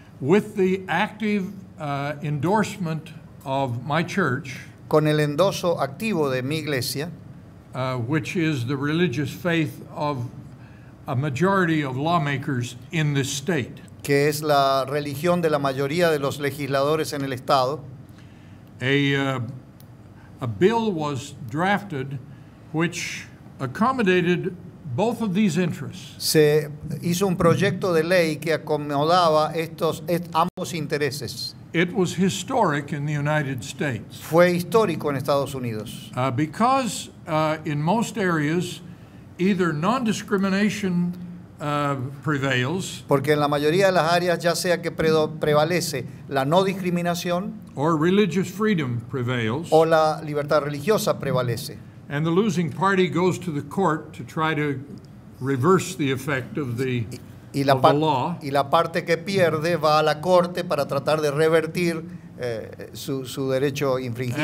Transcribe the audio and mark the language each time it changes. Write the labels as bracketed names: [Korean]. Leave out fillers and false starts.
[English] with the active endorsement of my church, [Spanish] con el endoso activo de mi iglesia, [English] which is the religious faith of a majority of lawmakers in this state, [Spanish] que es la religión de la mayoría de los legisladores en el estado, [English] a bill was drafted which accommodated both of these interests. [Spanish] Se hizo un proyecto de ley que acomodaba ambos intereses. [English] It was historic in the United States. [Spanish] Fue histórico en Estados Unidos. [English] Because in most areas, either non-discrimination prevails. [Spanish] Porque en la mayoría de las áreas, ya sea que prevalece la no discriminación, [English] or religious freedom prevails, [Spanish] o la libertad religiosa prevalece. [English] And the losing party goes to the court to try to reverse the effect of the. [Spanish] Y la parte que pierde va a la corte para tratar de revertir su derecho infringido.